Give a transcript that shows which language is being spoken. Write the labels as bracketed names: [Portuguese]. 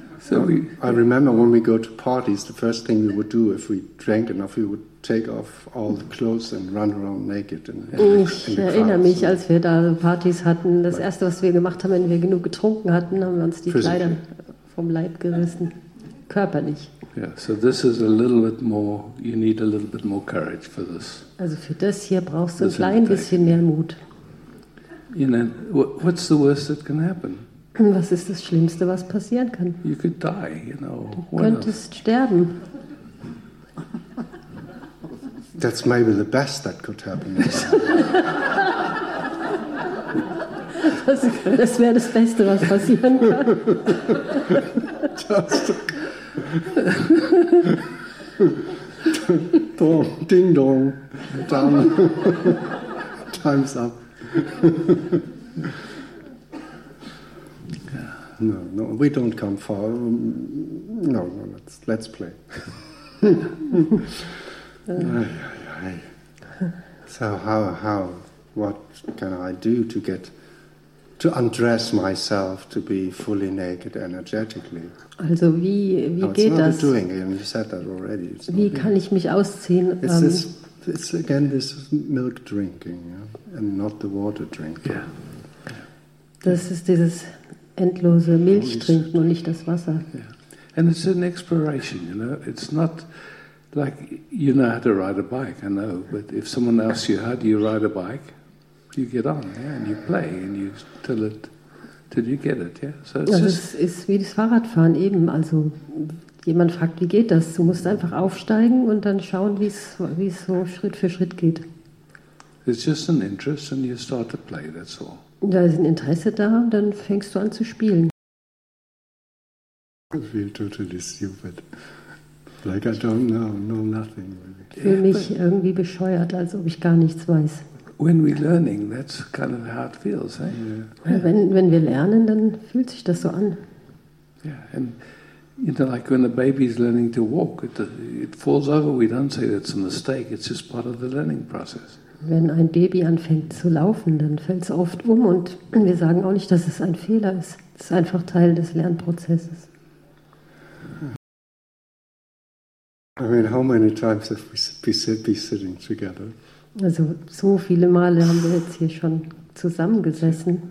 [English] I remember when we go to parties, the first thing we would do if we drank enough, we would take off all the clothes and run around naked. [German] Ich erinnere mich, als wir da Partys hatten, das erste, was wir gemacht haben, wenn wir genug getrunken hatten, haben wir uns die Kleider vom Leib gerissen, körperlich. [English] Yeah, so this is a little bit more, you need a little bit more courage for this. [German] Also für das hier brauchst du ein klein bisschen mehr Mut. [English] You know, what's the worst that can happen? [German] Was ist das Schlimmste, was passieren kann? [English] You could die, you know. [German] Du könntest sterben. [English] That's maybe the best that could happen. [German] Das wäre das Beste, was passieren kann. [English] Just dong, ding dong, done. Time's up. No, we don't come far. No, let's play. So how what can I do to get to undress myself to be fully naked energetically? [German] Also wie geht das? [English] It's not doing it. You said that already. [German] Wie kann ich mich ausziehen? [English] It's again this milk drinking, yeah? And not the water drinking. Yeah. [German] Das ist dieses endlose Milch trinken und nicht das Wasser. [English] Yeah. And it's an exploration, you know. It's not like you know how to ride a bike, I know. But if someone asks you how do you ride a bike, you get on, yeah, and you play and you till you get it, yeah. So it's also just, [German] ist wie das Fahrradfahren eben. Also jemand fragt, wie geht das? Du musst einfach aufsteigen und dann schauen, wie es so Schritt für Schritt geht. [English] It's just an interest and you start to play. That's all. [German] Da ist ein Interesse da, dann fängst du an zu spielen. [English] I feel totally stupid. Like I don't know nothing really. [German] Fühle mich irgendwie bescheuert, als ob ich gar nichts weiß. [English] When we're learning, that's kind of how it feels, eh? Yeah. [German] Wenn wir lernen, dann fühlt sich das so an. [English] Yeah, and you know, like when a baby is learning to walk, it falls over. We don't say that's a mistake. It's just part of the learning process. [German] Wenn ein Baby anfängt zu laufen, dann fällt es oft um und wir sagen auch nicht, dass es ein Fehler ist. Es ist einfach Teil des Lernprozesses. [English] I mean, how many times have we been sitting together? [German] Also so viele Male haben wir jetzt hier schon zusammengesessen.